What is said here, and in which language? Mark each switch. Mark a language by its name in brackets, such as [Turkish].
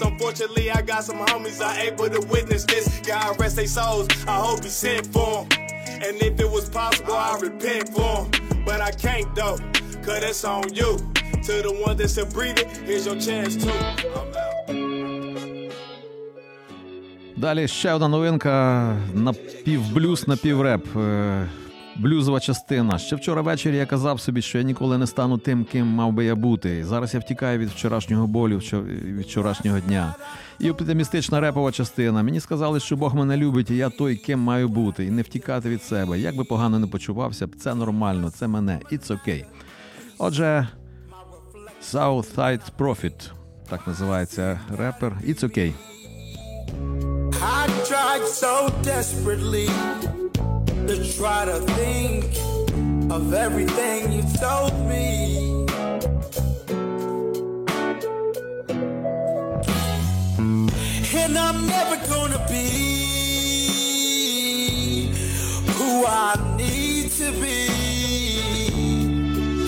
[English] Unfortunately, I got some homies are able to witness this. God rest their souls, I hope he sent for them. And if it was possible, I'd repent for them. But I can't though, cause it's on you. To the one that's a breathing, here's your chance too. I'm out. [Ukrainian] Далі ще одна новинка, напівблюз, напівреп. Блюзова частина. Ще вчора ввечері я казав собі, що я ніколи не стану тим, ким мав би я бути. І зараз я втікаю від вчорашнього болю, від вчорашнього дня. І оптимістична репова частина. Мені сказали, що Бог мене любить, і я той, ким маю бути. І не втікати від себе. Як би погано не почувався, це нормально, це мене. [English] It's okay. [Ukrainian] Отже, Southside Prophet, так називається репер. [English] It's okay. I tried so desperately to try to think of everything you told me. And I'm never gonna be who I need to be.